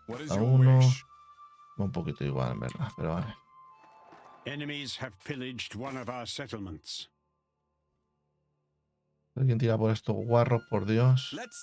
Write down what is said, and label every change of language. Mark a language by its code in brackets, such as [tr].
[es] A uno. Un poquito igual, en verdad. Pero vale. [en] Enemies have pillaged one of our settlements. [es] ¿Alguien tira por esto, guarro, por Dios?